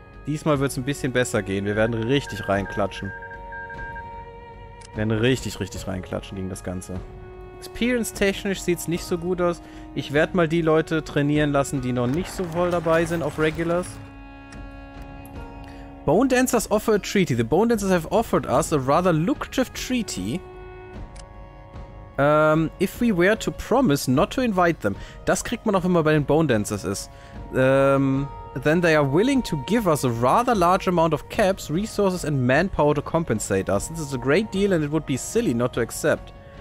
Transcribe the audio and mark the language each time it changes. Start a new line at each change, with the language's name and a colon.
German: Diesmal wird es ein bisschen besser gehen. Wir werden richtig reinklatschen. Wir werden richtig, richtig reinklatschen gegen das Ganze. Experience-technisch sieht es nicht so gut aus. Ich werde mal die Leute trainieren lassen, die noch nicht so voll dabei sind auf Regulars.
English: Bone Dancers offer a treaty. The Bone Dancers have offered us a rather lucrative treaty. If we were to promise not to invite them.
German: Das kriegt man auch, wenn man bei den Bone Dancers ist.
English: Then they are willing to give us a rather large amount of caps, resources and manpower to compensate us. This is a great deal and it would be silly not to accept.